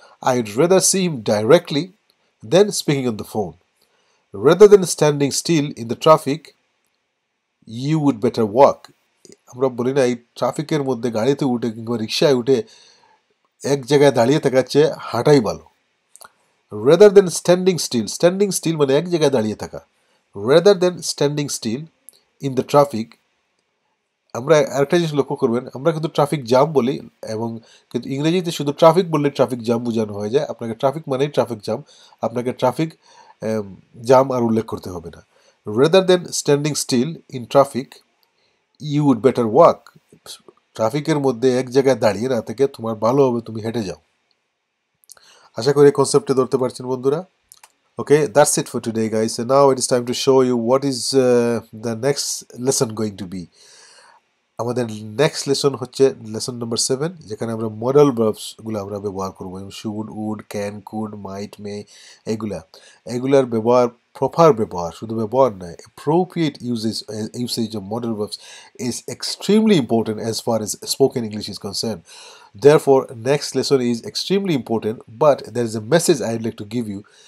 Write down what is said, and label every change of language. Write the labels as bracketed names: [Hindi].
[English] I would rather see him directly than speaking on the phone, rather than standing still in the traffic you would better walk, [Bangla] আমরা বলি না এই ট্রাফিকের মধ্যে গাড়িতে উঠে কিংবা রিক্সায় উঠে এক জায়গায় দাঁড়িয়ে থাকার চেয়ে হাঁটাই ভালো, [English] rather than standing still, standing still [Bangla] মানে এক জায়গায় দাঁড়িয়ে থাকা, [English] rather than standing still in the traffic, [Bangla] আমরা আরেকটা জিনিস লক্ষ্য করবেন আমরা কিন্তু ট্রাফিক জ্যাম বলি এবং কিন্তু ইংরেজিতে শুধু ট্রাফিক বললে ট্রাফিক জ্যাম বোঝানো হয়ে যায়, আপনাকে ট্রাফিক মানেই ট্রাফিক জ্যাম, আপনাকে ট্রাফিক জ্যাম আর উল্লেখ করতে হবে না। [English] Rather than standing still in traffic, you would better walk. [Bangla] Traffic এর মধ্যে এক জায়গায় দাঁড়িয়ে না থেকে তোমার ভালো হবে তুমি হেঁটে যাও। আশা করি কনসেপ্টে ধরতে পারছেন বন্ধুরা। [English] Okay, that's it for today guys. And now it is time to show you what is the next lesson going to be. [Bangla] আমাদের নেক্সট লেসন হচ্ছে লেসন নম্বর 7, যেখানে আমরা মডাল ভার্বসগুলো আমরা ব্যবহার করবো, শুড, উড, ক্যান, কুড, মাইট, মে, এগুলা এগুলার ব্যবহার, প্রপার ব্যবহার, শুধু ব্যবহার নয় [English] Appropriate usage of modal verbs is extremely important as far as spoken English is concern, therefore next lesson is extremely important, but there is a message I would like to give you.